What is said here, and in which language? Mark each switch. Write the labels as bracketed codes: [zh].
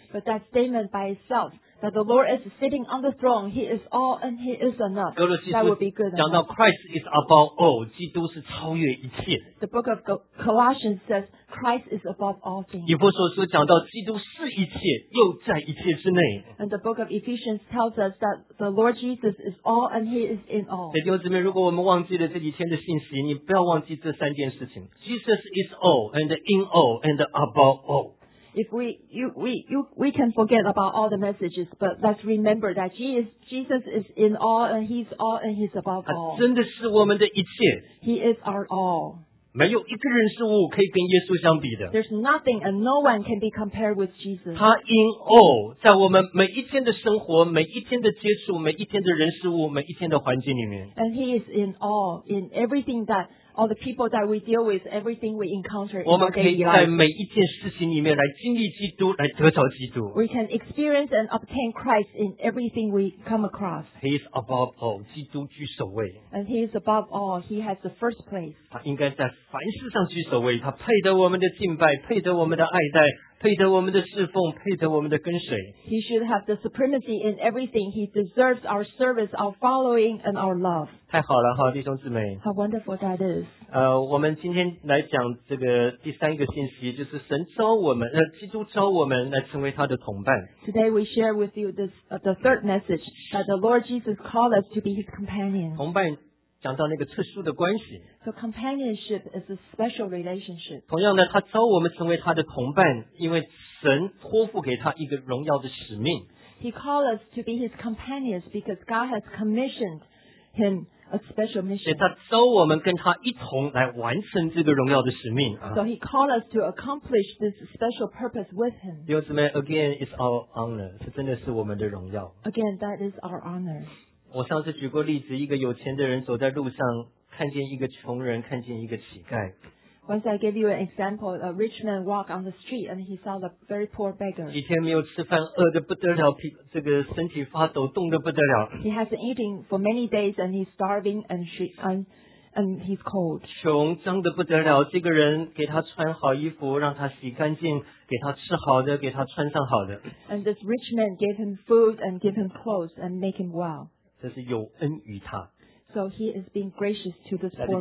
[en] But that statement by itself, that the Lord is sitting on the throne, he is all and he is enough. [zh] 哥罗西书 [en] that would be good [zh] 讲到 [en] Christ is above all, [zh] 基督是超越一切。 [en] The book of Colossians says Christ is above all things. [zh] 以弗所书讲到基督是一切，又在一切之内。 [en] And the book of Ephesians tells us that the Lord Jesus is all and he is in all. [zh] 弟兄姊妹，如果我们忘记了这几天的信息，你不要忘记这三件事情。 [en] Jesus is all and in all and above all. If we can forget about all the messages, but let's remember that Jesus is in all and he's above all. [zh] 真的是我们的一切。 [en] He is our all. [zh] 没有一个人事物可以跟耶稣相比的。 [en] There's nothing and no one can be compared with Jesus. [zh] 他 in all, 在我们每一天的生活、每一天的接触、每一天的人事物、每一天的环境里面。 [en] And he is in all, in everything that all the people that we deal with, everything we encounter in our daily life. [zh] 我们可以在每一件事情里面来经历基督，来得着基督。 [en] We can experience and obtain Christ in everything we come across. He is above all, [zh] 基督居首位。 [en] And he is above all, he has the first place. [zh] 他应该在凡事上居首位，他配得我们的敬拜，配得我们的爱戴，配得我们的侍奉，配得我们的跟随。 [en] He should have the supremacy in everything. He deserves our service, our following, and our love. [zh] 太好了，好弟兄姊妹。 [en] How wonderful that is. [zh] 我们今天来讲这个第三个信息，就是神召我们，基督召我们来成为他的同伴。 [en] Today we share with you this, the third message that the Lord Jesus called us to be his companion. [zh] 同伴讲到那个特殊的关系。 [en] So companionship is a special relationship. [zh] 同样呢，他召我们成为他的同伴，因为神托付给他一个荣耀的使命。 [en] He called us to be his companions because God has commissioned him a special mission. [zh] 他召我们跟他一同来完成这个荣耀的使命。 [en] So he called us to accomplish this special purpose with him. [zh] 弟兄姊妹 ， [en] again is our honor， [zh] 是真的是我们的荣耀。 [en] Again, that is our honor. [zh] 我上次举过例子，一个有钱的人走在路上，看见一个穷人，看见一个乞丐。 [en] Once I gave you an example, a rich man walked on the street and he saw a very poor beggar. [zh] 几天没有吃饭，饿得不得了，这个身体发抖，冻得不得了。 [en] He hasn't eaten for many days and he's starving and he's cold. [zh] 穷，脏得不得了，这个人给他穿好衣服，让他洗干净。给他吃好的，给他穿上好的。 [en] And this rich man gave him food and gave him clothes and make him well. [zh] 这是有恩于他。 [en] So he is being gracious to this poor man.